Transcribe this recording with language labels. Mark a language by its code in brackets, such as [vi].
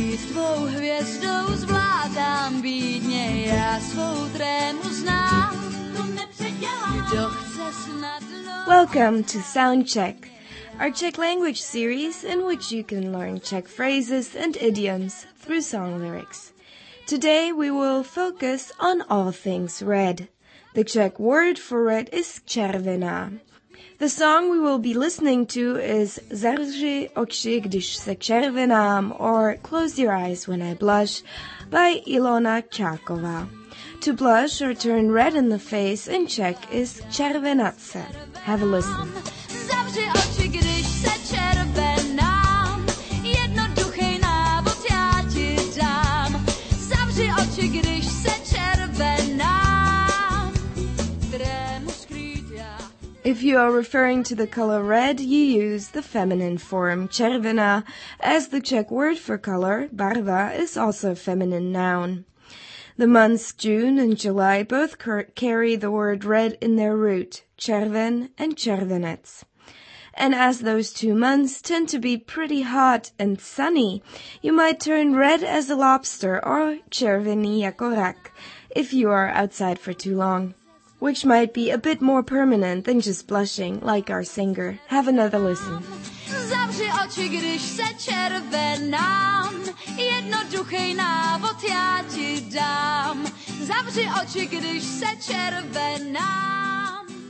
[cs] Svou hvězdou zvládám bídně, já svou trému znám, to nepředělám, kdo chce snadno. [en] Welcome to Soundcheck, our Czech language series in which you can learn Czech phrases and idioms through song lyrics. Today we will focus on all things red. The Czech word for red is červená. The song we will be listening to is Zavři oči, když se červenám, or Close Your Eyes When I Blush by Ilona Čáková. To blush or turn red in the face in Czech is červenat se. Have a listen. [cs] Zavři oči, když se červenám, jednoduchý návod já ti dám. Zavři oči, když se červenám, [en] you are referring to the color red, you use the feminine form červená, as the Czech word for color, barva, is also a feminine noun. The months June and July both carry the word red in their root, červen and červenec. And as those 2 months tend to be pretty hot and sunny, you might turn red as a lobster or [cs] červený jako rak [en] if you are outside for too long, which might be a bit more permanent than just blushing, like our singer. Have another listen. [cs] Zavři oči, když se červenám, jednoduchý návod já ti dám. Zavři oči, když se červenám.